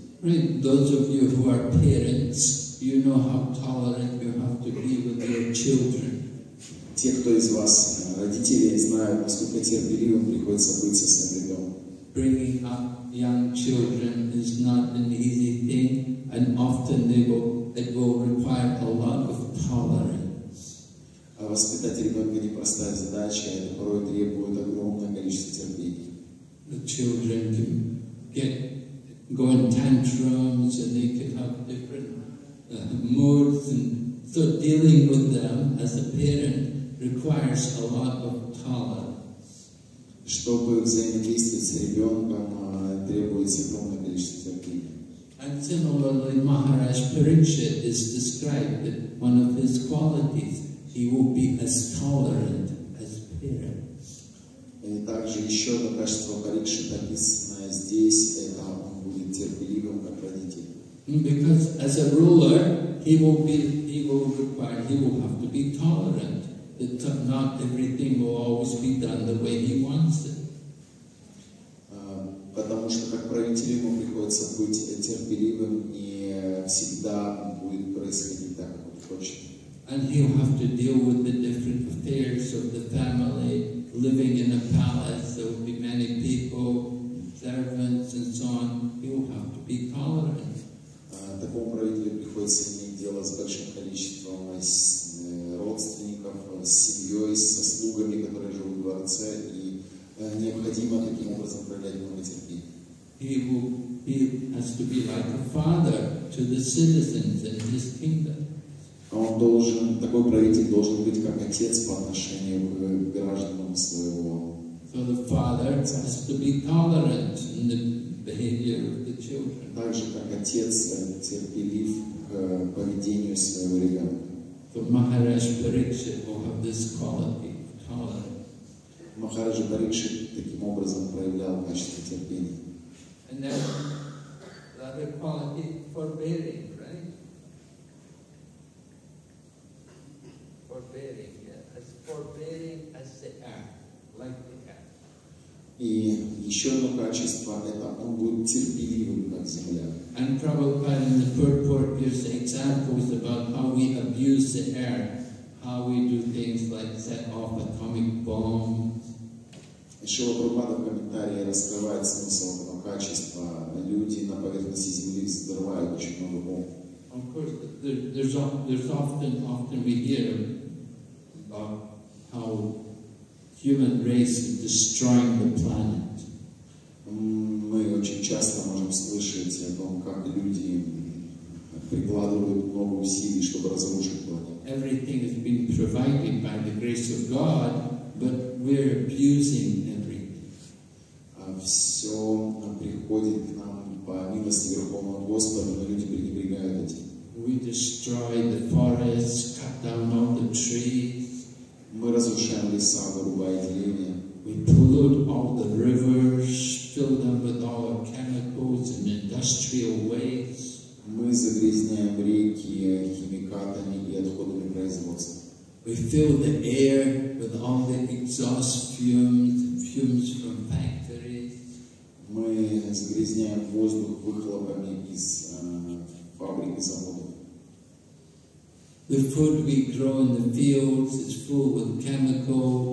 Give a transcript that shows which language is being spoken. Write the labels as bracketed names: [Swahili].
[English] Right, those of you who are parents, you know how tolerant you have to be with your children. [Russian] Те, кто из вас родители, я знаю, насколько терпеливым приходится быть со своим ребенком. [English] Bringing up young children is not an easy thing, and often it will require a lot of tolerance. [Russian] Воспитать ребенка непростая задача, это порой требует огромное количество терпения. [English] The children can go in tantrums, and they can have different moods, and so dealing with them as a parent requires a lot of tolerance. [Russian] Чтобы взаимодействовать с ребенком, требуется огромное количество терпения. [English] And similarly, Maharaj Parikshit is described that one of his qualities, he will be as tolerant as parents. [Russian] И также еще одно качество Парикшита описано здесь, это он будет терпеливым как родитель. [English] Because as a ruler, he will have to be tolerant. That not everything will always be done the way he wants it. [Russian] Потому что как правитель ему приходится быть терпеливым, и всегда будет происходить так, как он хочет. [English] And he'll have to deal with the different affairs of the family, living in a palace, there will be many people, servants and so on. He'll have to be tolerant. [Russian] Такому правителю приходится иметь дело с большим количеством родственников, с семьей, со слугами, которые живут в дворце, и необходимо таким образом проявлять много терпения. [English] He has to be like a father to the citizens in his kingdom. [Russian] Такой правитель должен быть как отец по отношению к гражданам своего. [English] So the father has to be tolerant in the behavior of the children. [Russian] Также как отец терпелив к поведению своего ребенка. [English] So Maharaj Parikshit will have this quality of tolerance. [Russian] Maharaj Parikshit таким образом проявлял качество терпения. [English] And then the other quality, forbearing, right? Forbearing, yeah. As forbearing as the earth, like the earth. [Russian] И еще одно качество, это он будет терпеливым, как земля. [English] And Prabhupada in the purport gives examples about how we abuse the air, how we do things like set off atomic bombs. [Russian] Шрила Прабхупада в комментарии раскрывает смысл этого качества, люди на поверхности земли взрывают очень много бомб. [English] Of course, there's often we hear about how human race is destroying the planet. [Russian] Мы очень часто можем слышать о том, как люди прикладывают много усилий, чтобы разрушить планету. [English] Everything has been provided by the grace of God, but we're abusing everything. [Russian] Все приходит к нам по милости Верховного Господа, но люди пренебрегают этим. [English] We destroy the forests, cut down all the trees. [Russian] Мы разрушаем леса, вырубая деревья. [English] We pollute all the rivers, fill them with all our chemicals and industrial waste. [Russian] Мы загрязняем реки химикатами и отходами производства. [English] We fill the air with all the exhaust fumes, fumes from factories. [Russian] Мы загрязняем воздух выхлопами из фабрик и заводов. [English] The food we grow in the fields is full with chemical.